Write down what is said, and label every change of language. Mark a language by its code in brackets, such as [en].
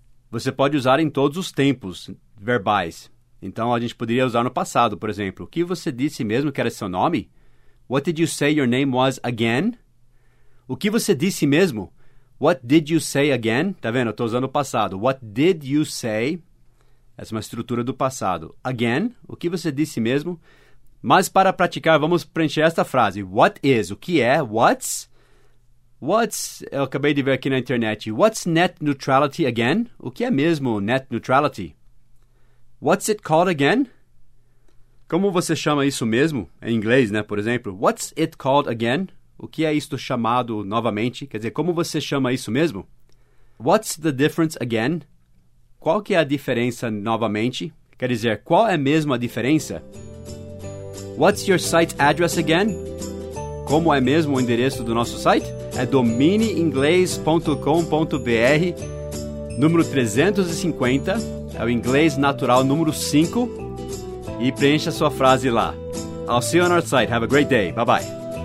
[pt] Você pode usar em todos os tempos verbais. Então, a gente poderia usar no passado, por exemplo. O que você disse mesmo que era seu nome? [en] What did you say your name was again? [pt] O que você disse mesmo? [en] What did you say again? [pt] Tá vendo? Eu estou usando o passado. [en] What did you say? [pt] Essa é uma estrutura do passado. Again, o que você disse mesmo? Mas para praticar, vamos preencher esta frase. [en] What is? [pt] O que é? [en] What's? What's? [pt] Eu acabei de ver aqui na internet. [en] What's net neutrality again? [pt] O que é mesmo net neutrality? [en] What's it called again? [pt] Como você chama isso mesmo? Em inglês, né? Por exemplo, [en] what's it called again? [pt] O que é isto chamado novamente? Quer dizer, como você chama isso mesmo? [en] What's the difference again? [pt] Qual que é a diferença novamente? Quer dizer, qual é mesmo a diferença? [en] What's your site address again? [pt] Como é mesmo o endereço do nosso site? É domineinglês.com.br, número 350, é o inglês natural número 5, e preencha sua frase lá. [en] I'll see you on our site. Have a great day. Bye-bye.